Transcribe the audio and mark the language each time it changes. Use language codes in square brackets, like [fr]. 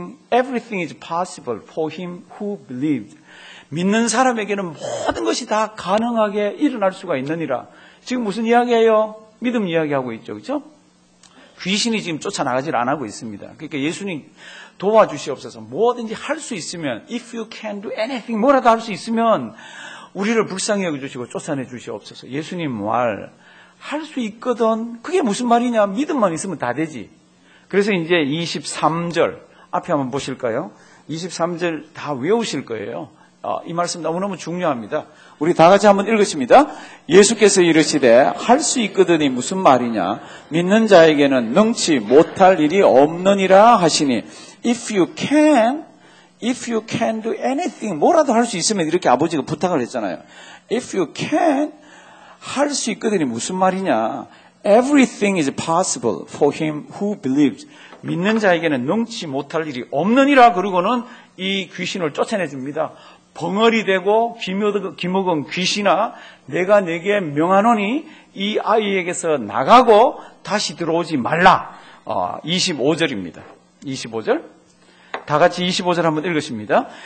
[en] Everything is possible for him who believed. [ko] 믿는 사람에게는 모든 것이 다 가능하게 일어날 수가 있느니라. 지금 무슨 이야기예요? 믿음 이야기하고 있죠, 그죠? 귀신이 지금 쫓아나가질 안 하고 있습니다. 그러니까 예수님 도와주시옵소서. 뭐든지 할 수 있으면, [en] if you can do anything, [ko] 뭐라도 할 수 있으면, 우리를 불쌍히 여겨주시고 쫓아내 주시옵소서. 예수님 말, 할 수 있거든. 그게 무슨 말이냐? 믿음만 있으면 다 되지. 그래서 이제 23절, 앞에 한번 보실까요? 23절 다 외우실 거예요. 이 말씀 너무너무 중요합니다. 우리 다 같이 한번 읽으십니다. 예수께서 이르시되, 할 수 있거든이 무슨 말이냐? 믿는 자에게는 능치 못할 일이 없느니라 하시니, [en] If you can do anything, [ko] 뭐라도 할 수 있으면, 이렇게 아버지가 부탁을 했잖아요. [en] If you can, [ko] 할 수 있거든이 무슨 말이냐? [en] Everything is possible for him who believes. [ko] 믿는 자에게는 능치 못할 일이 없느니라. 그러고는 이 귀신을 쫓아내줍니다. 벙어리 되고 귀먹은 귀신아, 내가 네게 명하노니 이 아이에게서 나가고 다시 들어오지 말라. 25절입니다. 25절. 다 같이 25절 한번 읽으십니다.